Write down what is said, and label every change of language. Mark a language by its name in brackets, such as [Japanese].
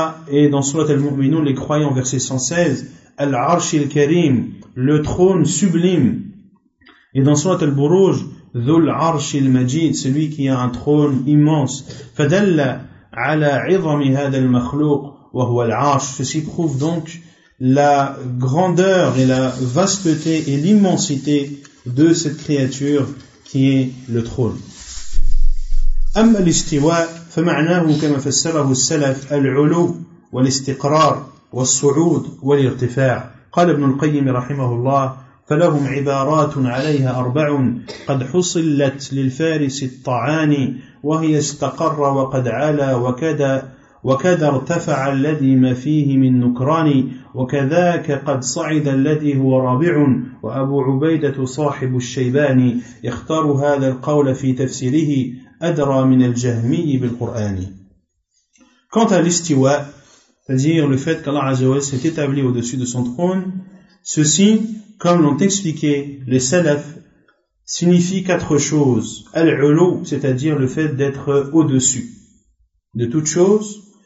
[French] et dans Surat Al-Mu'minun, les croyants, verset 116, [Arabic] Al-Arsh Al-Karim, [French] le trône sublime, et dans Surat Al-Buruj, [Arabic] Dhul Arsh Al-Majid, [French] celui qui a un trône immense, [Arabic] Fadalla ala idhami hadha al-makhluq. [French] Ceci prouve donc la grandeur et la vasteté et l'immensité de cette créature qui est le trône. [Arabic] أما الاستواء فمعناه كما فسره السلف العلو والاستقرار والصعود والارتفاع. قال ابن القيم رحمه الله فلهم عبارات عليها أربع قد حصلت للفارس الطعاني وهي استقر وقد علا وكدا وكذا ارتفع الذي ما فيه من نكران وكذاك قد صعد الذي هو رابع وأبو عبيدة صاحب الشيبان يختار هذا القول في تفسيره أدرى من الجهمي بالقرآن. [French] Quant à l'استواء, c'est-à-dire le fait qu'Allah عز وجل s'est établi au-dessus de son trône, ceci, comme l'ont expliqué les salafs, signifie quatre choses. Al-ulu, c'est-à-dire le fait d'être au-dessus de toutes choses.